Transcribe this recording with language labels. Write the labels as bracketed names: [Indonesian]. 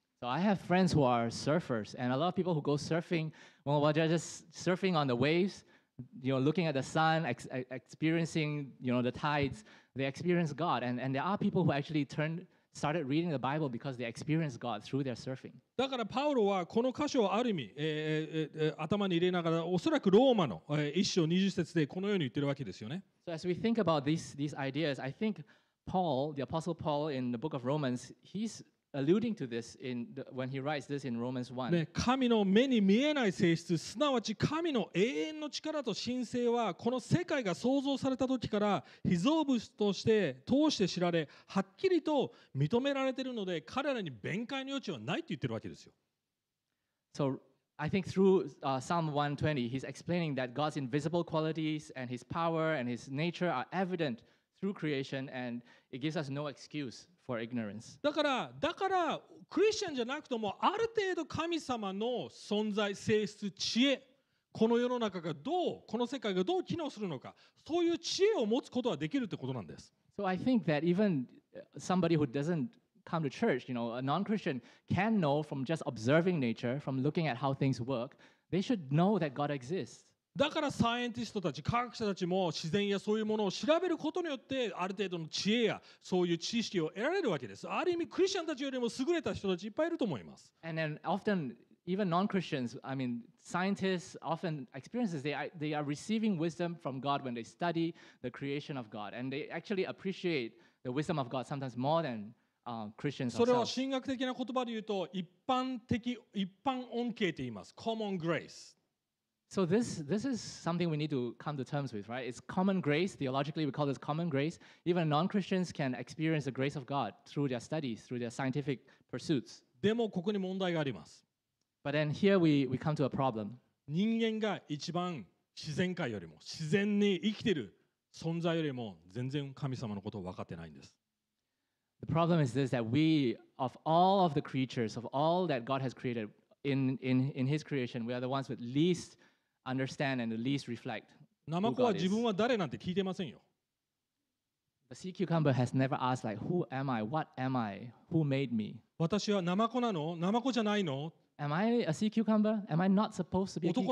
[English] So I have friends who are surfers, and a lot of people who go surfing, well, while they're just surfing on the waves. You know, looking at the sun, experiencing, you know, the tides, they experience God. And there are people who actually started reading the Bible because they experienced God through their surfing. [Japanese] だからパウロはこの箇所をある意味、頭に入れながら、おそらくローマの、一章二十節でこのように言ってるわけですよね。 [English] So as we think about these ideas, I think Paul, the Apostle Paul in the book of Romans, he's alluding to this when he writes this in Romans 1. [Japanese] ね、神の目に見えない性質、すなわち神の永遠の力と神性は、この世界が創造された時から被造物として通して知られ、はっきりと認められているので、彼らに弁解の余地はないと言ってるわけですよ。 [English] So I think through Psalm 120, he's explaining that God's invisible qualities and his power and his nature are evident through creation and it gives us no excuse. For ignorance. [Japanese] だからクリスチャンじゃなくともある程度神様の存在性質知恵この世の中がどうこの世界がどう機能するのかそういう知恵を持つことはできるってことなんです。 [English] So I think that even somebody who doesn't come to church, you know, a non-Christian can know from just observing nature, from looking at how things work, they should know that God exists. [Japanese] だからサイエンティストたち、科学者たちも自然やそういうものを調べることによってある程度の知恵やそういう知識を得られるわけです。ある意味クリスチャンたちよりも優れた人たちいっぱいいると思います。 [English] And then often even non-Christians, I mean scientists often experiences they are receiving wisdom from God when they study the creation of God and they actually appreciate the wisdom of God sometimes more than Christians [Japanese] それは神学的な言葉で言うと一般恩恵と言います。 [English] Common grace. So this is something we need to come to terms with, right? It's common grace. Theologically, we call this common grace. Even non-Christians can experience the grace of God through their studies, through their scientific pursuits. [Japanese] でもここに問題があります。 [English] But then here we come to a problem. [Japanese] 人間が一番自然界よりも、自然に生きている存在よりも、全然神様のことを分かってないんです。 [English] The problem is this, that we, of all of the creatures, of all that God has created, in his creation, we are the ones with least... Understand and at least reflect. [Japanese] ナマコは自分は誰なんて聞いてませんよ。 [English] The sea cucumber has never asked like, "Who am I? What am I? Who made me?" [Japanese] 私はナマコなの？ナマコじゃないの [English] ？Am I a sea cucumber? Am I not supposed to be a cucumber?